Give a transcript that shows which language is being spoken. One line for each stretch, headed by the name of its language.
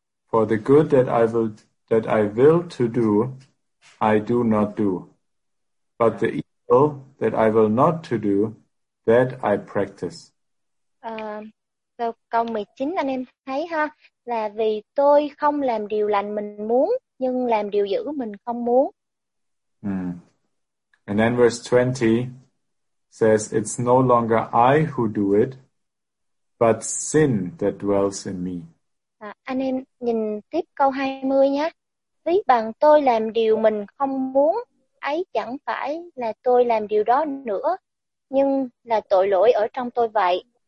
English: For the good that I will to do, I do not do. But the evil that I will not to do, that I practice.
Vietnamese: Câu 19 anh em thấy ha, là vì tôi không làm điều lành mình muốn, nhưng làm điều dữ mình không muốn.
English: And then verse 20 says, it's no longer I who do it, but sin that dwells in me.
Vietnamese: Anh em nhìn tiếp câu 20 nhé. Ví bằng tôi làm điều mình không muốn, ấy chẳng phải là tôi làm điều đó nữa, nhưng là tội lỗi ở trong tôi vậy.